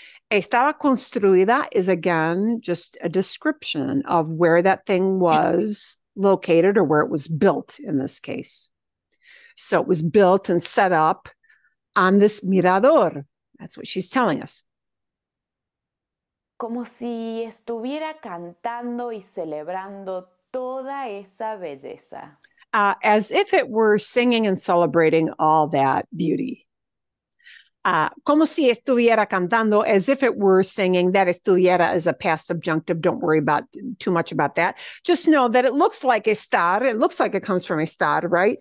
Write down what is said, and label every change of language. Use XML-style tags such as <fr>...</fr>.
<es>Estaba construida</es> <en>is, again, just a description of where that thing was located or where it was built in this case. So it was built and set up on this mirador. That's what she's telling us.</en> <es>Como si estuviera cantando y celebrando toda esa belleza.</es> <en>As if it were singing and celebrating all that beauty.</en> <es>Como si estuviera cantando,</es> <en>as if it were singing. That estuviera is a past subjunctive. Don't worry about too much about that. Just know that it looks like estar. It looks like it comes from estar, right?</en>